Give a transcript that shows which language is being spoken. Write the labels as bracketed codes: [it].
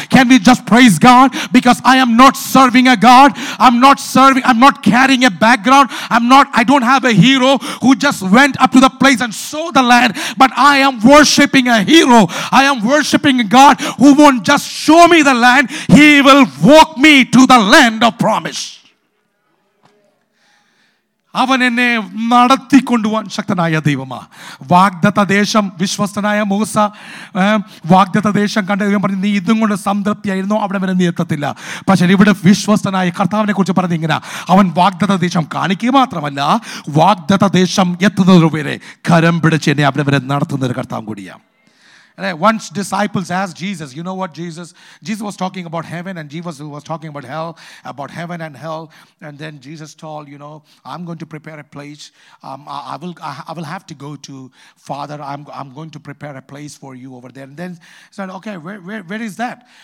[en] Can we just praise God? Because I am not serving a God, I'm not carrying a background, I don't have a hero who just went up to the place and saw the land, but I am worshiping a hero, I am worshiping a God who won't just show me the land, he will walk me to the land of promise. [ml] അവൻ എന്നെ നടത്തിക്കൊണ്ടുപോകാൻ ശക്തനായ ദൈവമാ. വാഗ്ദത്ത ദേശം, വിശ്വസ്തനായ മൂസ വാഗ്ദത്ത ദേശം കണ്ട ദൈവം പറഞ്ഞു, നീ ഇതും കൊണ്ട് സംതൃപ്തിയായിരുന്നു, അവിടെ വരെ നീ എത്തത്തില്ല. പക്ഷേ ഇവിടെ വിശ്വസ്തനായ കർത്താവിനെ കുറിച്ച് പറഞ്ഞ ഇങ്ങനെ, അവൻ വാഗ്ദത്ത ദേശം കാണിക്കുക മാത്രമല്ല, വാഗ്ദത്ത ദേശം എത്തുന്നതുവരെ കരം പിടിച്ച് എന്നെ അവിടെ വരെ നടത്തുന്നൊരു കർത്താവ് കൂടിയാണ്. [en] Once disciples asked Jesus, you know what, Jesus was talking about heaven, and Jesus was talking about hell, about heaven and hell. And then Jesus told, you know, I'm going to prepare a place. I will have to go to Father. I'm going to prepare a place for you over there. And then said, okay, where is that?